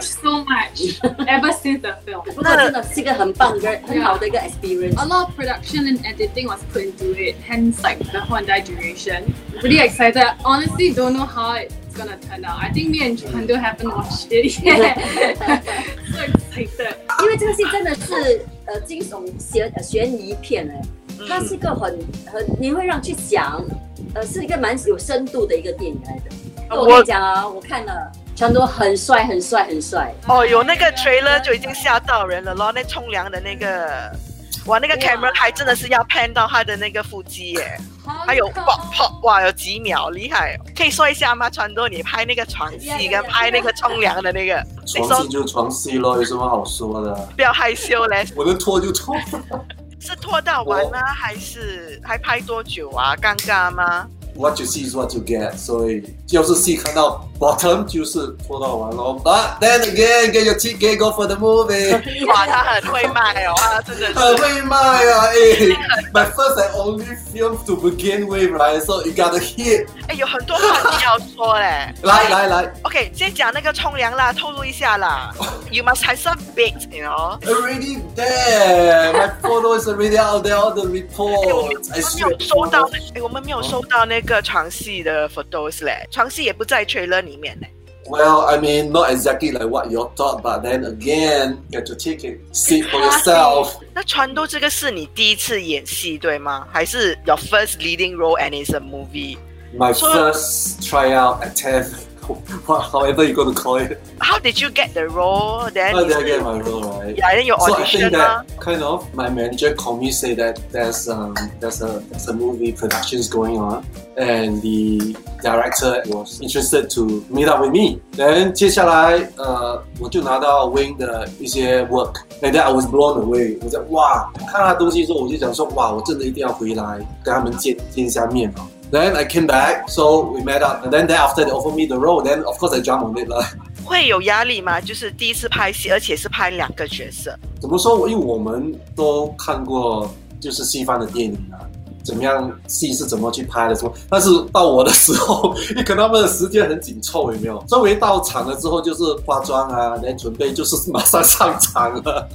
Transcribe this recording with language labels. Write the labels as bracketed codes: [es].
[en] So much. Ever since the film. [zh] 不过真的是一个很棒的很好的一个 experience. [en] A lot of production and editing was put into it, hence like the whole entire duration. Really excited. Honestly, don't know how it's gonna turn out. I think me and Chuando haven't watched it yet. So excited. [zh] 因为这个戏真的是惊悚悬疑片耶，它是一个很你会让去想，是一个蛮有深度的一个电影来的。我跟你讲啊，我看了强多很帅，很帅，很帅！哦，有那个 trailer 就已经吓到人了咯。那冲凉的那个，哇，那个 camera 还真的是要 pan 到他的那个腹肌耶，还有爆泡，哇，有几秒，厉害！可以说一下吗，强多，你拍那个床戏跟拍那个冲凉的那个？床戏就床戏咯，有什么好说的？不要害羞嘞，我能脱就脱。是脱到完呢，还是还拍多久啊？尴尬吗？ [en] What you see is what you get. [zh] 所以就是戏看到 bottom 就是脱到完了。 [en] But then again, get your ticket, go for the movie. [zh] 哇，他很会卖哦，真的是很会卖啊！哎、 [en] my first and only film to begin with, right? So you got a hit. [zh] 哎，有很多话你要说嘞。来来来，OK， 先讲那个冲凉啦，透露一下啦。 [en] You must have some bit, you know. Already there. My photo is already out there. All the report. [zh] 哎，我们没有收到。哎，我们没有收到那个床戏的 photos 嘞，床戏也不在 trailer 里面嘞。 [en] Well, I mean, not exactly like what you thought, but then again, get to take it, see for yourself. [zh] 那川都这个是你第一次演戏对吗？还是 [en] your first leading role and it's a movie? My first tryout attempt, however you're going to call it. How did you get the role then? How did I get my role, right? Yeah, then your audition. So I think that kind of my manager called me say that there's a movie productions going on. And the director was interested to meet up with me. Then, [zh] 接下来，我就拿到 Wing 的一些 work. [en] And then I was blown away. [zh] 我就哇，看他东西之后，我就想说，哇，我真的一定要回来跟他们见一下面嘛。 [en] Then I came back, so we met up. And then after they offered me the role, then of course I jumped on it 了。 [zh] 会有压力吗？就是第一次拍戏，而且是拍两个角色。怎么说？因为我们都看过就是西方的电影啊。怎么样？戏是怎么去拍的？什么？但是到我的时候，你可能他们的时间很紧凑，有没有？终于到场了之后，就是化妆啊，连准备就是马上上场了。